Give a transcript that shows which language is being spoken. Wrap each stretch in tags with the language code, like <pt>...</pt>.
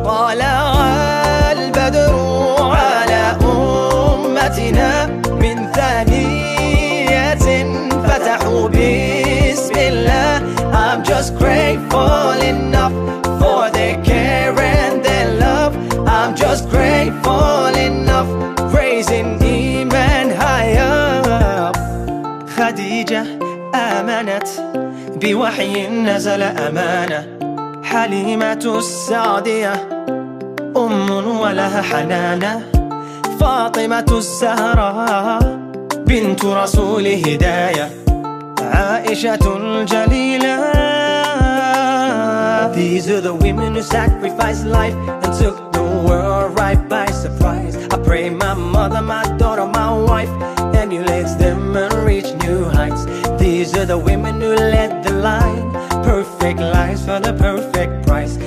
<ar>طال البدر على أمتنا من ثانية فتحوا بسم الله.</ar> <en>I'm just grateful enough for their care and their love. I'm just grateful enough, praising إيمان high up.</en> <ar>خديجة آمنت بوحي نزل أمانة. حليمة السعدية أم ولها حنانة. فاطمة الزهراء بنت رسول هداية. عائشة الجليلة.</ar> <en>These are the women who sacrificed life and took the world right by surprise. I pray my mother, my daughter, my wife emulates them and reach new heights. These are the women who led the line, perfect lives for the perfect price.</en>